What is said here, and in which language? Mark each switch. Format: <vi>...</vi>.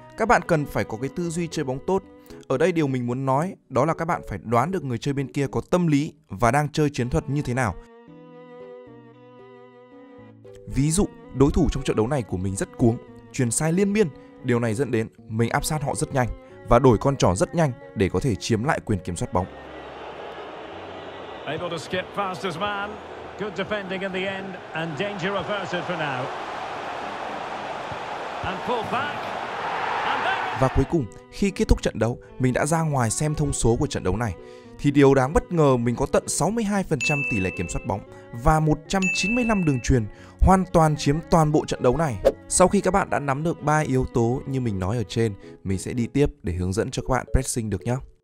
<vi>Các bạn cần phải có cái tư duy chơi bóng tốt. Ở đây điều mình muốn nói đó là các bạn phải đoán được người chơi bên kia có tâm lý và đang chơi chiến thuật như thế nào. Ví dụ, đối thủ trong trận đấu này của mình rất cuống, chuyền sai liên miên. Điều này dẫn đến mình áp sát họ rất nhanh và đổi con trỏ rất nhanh để có thể chiếm lại quyền kiểm soát bóng.</vi> <en>Able to skip past his man. Good defending in the end and danger averted for now. And pull back.</en> <vi>Và cuối cùng, khi kết thúc trận đấu, mình đã ra ngoài xem thông số của trận đấu này. Thì điều đáng bất ngờ, mình có tận 62% tỷ lệ kiểm soát bóng và 195 đường truyền, hoàn toàn chiếm toàn bộ trận đấu này. Sau khi các bạn đã nắm được 3 yếu tố như mình nói ở trên, mình sẽ đi tiếp để hướng dẫn cho các bạn pressing được nhé.</vi>